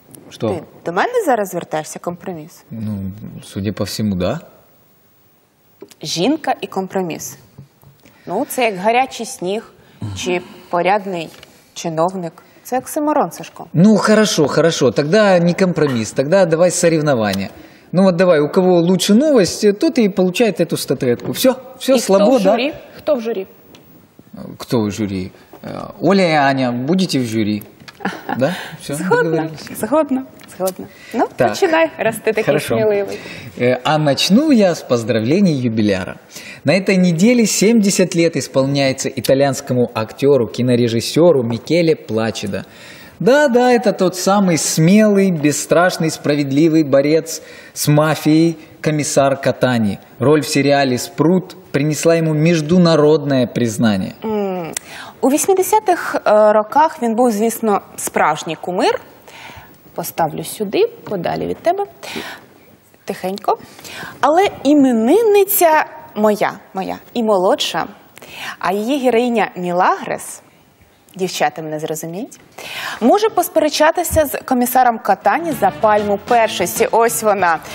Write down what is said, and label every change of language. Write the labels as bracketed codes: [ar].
[ru] Что? [uk] Ты до мене зараз звертаєшся компроміс? [ru] Ну, судя по всему, да. [uk] Жінка і компроміс. Ну, це як гарячий сніг чи порядний чиновник. Це оксиморон, Сашко. [ru] Ну, хорошо. Тогда не компроміс. Тогда давай соревнование. [uk] Ну от давай, [ru] у кого лучше новость, тот [uk] і получає [ru] эту статуэтку. Все, слабо, да? [uk] І хто в журі? Хто в журі? Оля і Аня, будете в журі? Да? Все, згодна. Ну, так. Починай, раз ти такий сміливий. [ru] А начну я з поздравлений юбіляра. На этой неделе 70 лет исполняется итальянскому актеру, кинорежиссеру Микеле Плачидо. Да, это тот самый смелый, бесстрашный, справедливый борец с мафией, комиссар Катани. Роль в сериале «Спрут» принесла ему международное признание. [uk] У 80-х роках він був, звісно, справжній кумир. Поставлю сюди, подалі від тебе. Тихенько. Але іменинниця моя і молодша, а її героїня Мілагрес, дівчата мене зрозуміють, може посперечатися з комісаром Катані за пальму першості. Ось вона.